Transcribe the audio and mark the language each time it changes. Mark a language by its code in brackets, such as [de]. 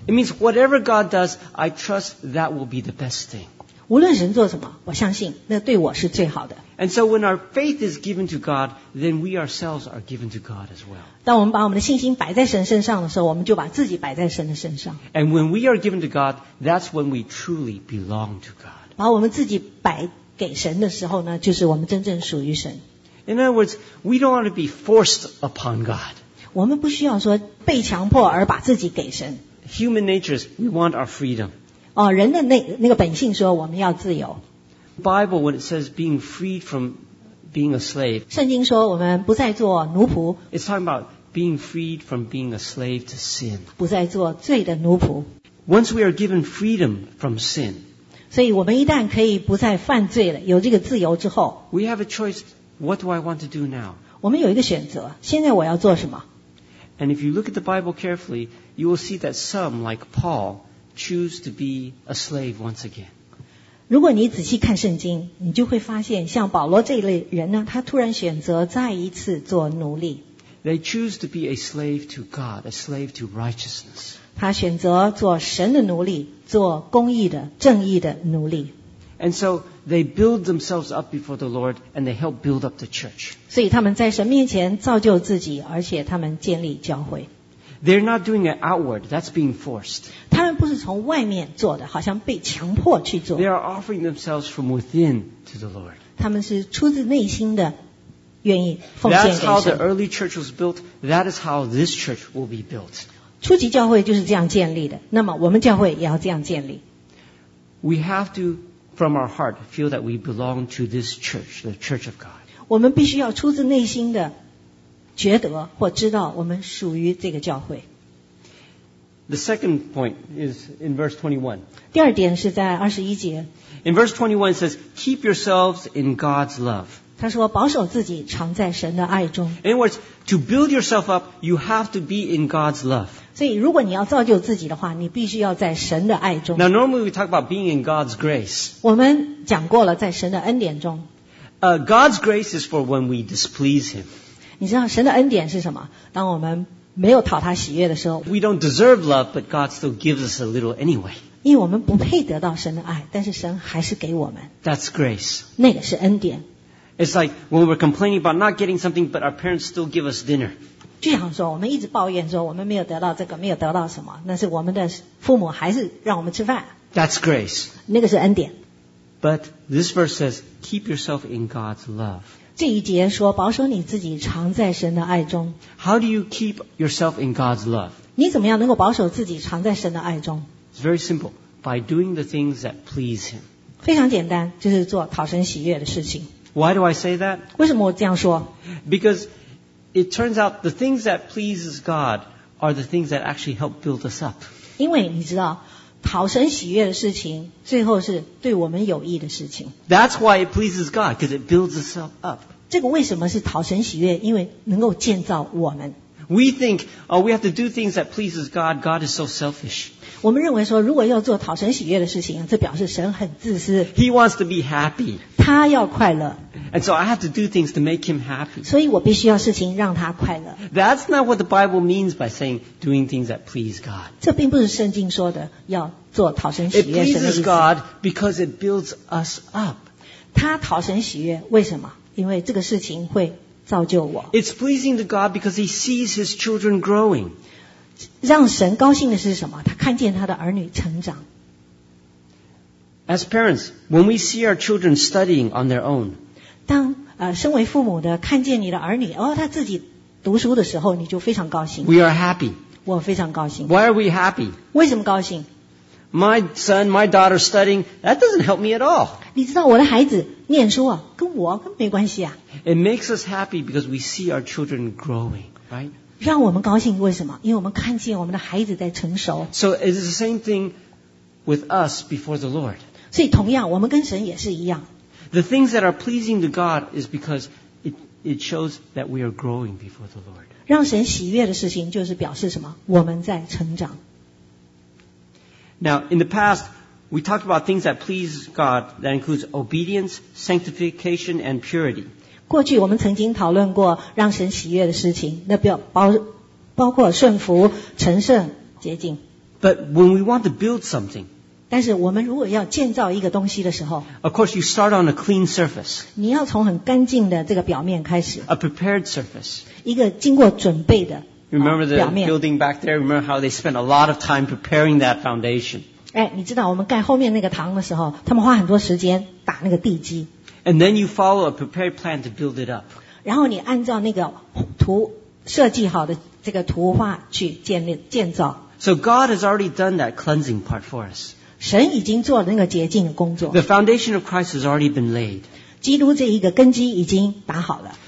[en] It means whatever God does, I trust that will be the best thing. [zh] 无论神做什么，我相信那对我是最好的。 [en] And so when our faith is given to God, then we ourselves are given to God as well. [zh] 当我们把我们的信心摆在神身上的时候，我们就把自己摆在神的身上。 [en] And when we are given to God, that's when we truly belong to God. [zh] 把我们自己摆给神的时候呢，就是我们真正属于神。 [en] In other words, we don't want to be forced upon God. [zh] 我们不需要说被强迫而把自己给神。 [en] Human natures, we want our freedom. [zh] 哦，人的那个本性说我们要自由。 [en] Bible, when it says being freed from being a slave, [zh] 圣经说我们不再做奴仆。 [en] It's talking about being freed from being a slave to sin. [zh] 不再做罪的奴仆。 [en] Once we are given freedom from sin, [zh] 所以我们一旦可以不再犯罪了，有这个自由之后， [en] we have a choice. What do I want to do now? [zh] 我们有一个选择，现在我要做什么？ [en] And if you look at the Bible carefully, you will see that some, like Paul, choose to be a slave once again. [zh] 如果你仔细看圣经，你就会发现，像保罗这一类人呢，他突然选择再一次做奴隶。 [en] They choose to be a slave to God, a slave to righteousness. [zh] 他选择做神的奴隶，做公义的、正义的奴隶。 [en] And so they build themselves up before the Lord, and they help build up the church. [zh] 所以他们在神面前造就自己，而且他们建立教会。 [en] They're not doing it outward. That's being forced. [zh] 他们不是从外面做的，好像被强迫去做。 [en] They are offering themselves from within to the Lord. [zh] 他们是出自内心的愿意奉献给神。 [en] That's how the early church was built. That is how this church will be built. [zh] 初级教会就是这样建立的。那么我们教会也要这样建立。 [en] We have to. From our heart, feel that we belong to this church, the church of God. [zh] 我们必须要出自内心的觉得或知道我们属于这个教会。 [en] The second point is in verse 21. [zh] 第二点是在21节。 [en] In verse 21 it says, keep yourselves in God's love. [zh] 他说保守自己常在神的爱中。 [en] In other words, to build yourself up, you have to be in God's love. [zh] 所以如果你要造就自己的话，你必须要在神的爱中。 [en] Now normally we talk about being in God's grace. [zh] 我们讲过了在神的恩典中。 [en] God's grace is for when we displease Him. [zh] 你知道神的恩典是什么？当我们没有讨他喜悦的时候。 [en] We don't deserve love, but God still gives us a little anyway. [zh] 因为我们不配得到神的爱，但是神还是给我们。 [en] That's grace. [zh] 那个是恩典。 [en] It's like when we're complaining about not getting something, but our parents still give us dinner. [zh] 就像说，我们一直抱怨说我们没有得到这个，没有得到什么，但是我们的父母还是让我们吃饭。 [en] That's grace. [zh] 那个是恩典。 [en] But this verse says, keep yourself in God's love. [zh] 这一节说，保守你自己常在神的爱中。 [en] How do you keep yourself in God's love? [zh] 你怎么样能够保守自己常在神的爱中？ [en] It's very simple, by doing the things that please Him. [zh] 非常简单，就是做讨神喜悦的事情。 [en] Why do I say that? [zh] 为什么我这样说？ [en] Because it turns out the things that pleases God are the things that actually help build us up. [zh] 因为你知道，讨神喜悦的事情，最后是对我们有益的事情。 [en] That's why it pleases God, because it builds us up. [zh] 这个为什么是讨神喜悦？因为能够建造我们。 [en] We think, oh, we have to do things that pleases God. God is so selfish. [zh] 我们认为说，如果要做讨神喜悦的事情，这表示神很自私。 [en] He wants to be happy. [zh] 他要快乐。 [en] And so I have to do things to make him happy. [zh] 所以我必须要事情让他快乐。 [en] That's not what the Bible means by saying doing things that please God. [zh] 这并不是圣经说的要做讨神喜悦的意思。 [en] It pleases God because it builds us up. [zh] 他讨神喜悦，为什么？因为这个事情会。造就我。 [en] It's pleasing to God because He sees His children growing. [zh] 让神高兴的是什么？他看见他的儿女成长。 [en] As parents, when we see our children studying on their own, [zh] 当身为父母的看见你的儿女哦，他自己读书的时候，你就非常高兴。 [en] We are happy. [zh] 我非常高兴。 [en] Why are we happy? [zh] 为什么高兴？ [en] My son, my daughter studying, that doesn't help me at all. [zh] 你知道我的孩子念书啊，跟我没关系啊。 [en] It makes us happy because we see our children growing, right? [zh] 让我们高兴，为什么？因为我们看见我们的孩子在成熟。 [en] So it is the same thing with us before the Lord. [zh] 所以同样，我们跟神也是一样。 [en] The things that are pleasing to God is because it shows that we are growing before the Lord. [zh] 让神喜悦的事情就是表示什么？我们在成长。 [en] Now, in the past, we talked about things that please God that includes obedience, sanctification, and purity. [zh] 过去我们曾经讨论过让神喜悦的事情，那包括顺服、成圣、洁净。 [en] But when we want to build something, [zh] 但是我们如果要建造一个东西的时候 [en] ，Of course you start on a clean surface. [zh] 你要从很干净的这个表面开始。 [en] A prepared surface. [zh] 一个经过准备的表面。 [en] Remember the building back there? Remember how they spent a lot of time preparing that foundation? [zh] 哎，你知道我们盖后面那个堂的时候，他们花很多时间打那个地基。 [en] And then you follow a prepared plan to build it up. [zh] 然后你按照那个图设计好的这个图画去建造。 [en] So God has already done that cleansing part for us. [zh] 神已经做了那个洁净的工作。 [en] The foundation of Christ has already been laid. [zh] 基督这一个根基已经打好了。